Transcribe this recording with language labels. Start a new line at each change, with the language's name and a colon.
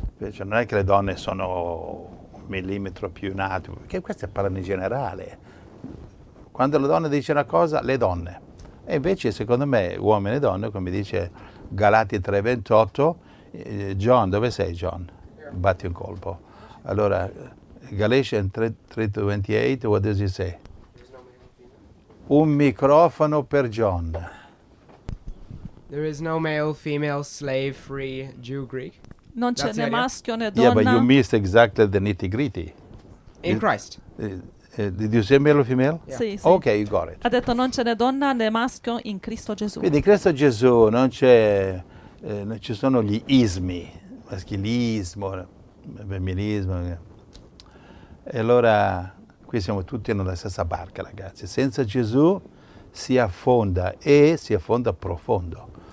Italian: Cioè, non è che le donne sono un millimetro più in alto, perché questo è parlando in generale. Quando la donna dice una cosa, le donne. E invece, secondo me, uomini e donne, come dice Galati 3,28, John, dove sei John? Batti un colpo.
English: Allora, Galatians 3,28, what does he say?
Italian: Un microfono per John.
English: There is no male, female, slave, free, Jew, Greek.
Italian: Non c'è né maschio né donna.
English: Yeah, but you missed exactly the nitty-gritty. In Christ. Did you say male or female?
Italian: Yeah. Sì, sì.
English: Okay, you got it.
Italian: Ha detto non c'è né donna né maschio in Cristo Gesù. Quindi in Cristo Gesù non c'è, non ci sono gli ismi, maschilismo, femminismo. E allora qui siamo tutti nella stessa barca, ragazzi. Senza Gesù si affonda e si affonda profondo.